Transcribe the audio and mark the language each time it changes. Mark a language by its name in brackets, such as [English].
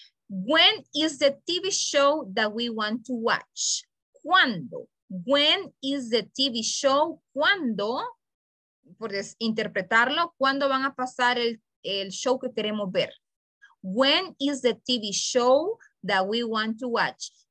[English] When is the TV show that we want to watch? [Spanish] ¿Cuándo? [English] When is the TV show? ¿Cuándo? [Spanish] Por interpretarlo, ¿cuándo van a pasar el show que queremos ver? [English] When is the TV show that we want to watch?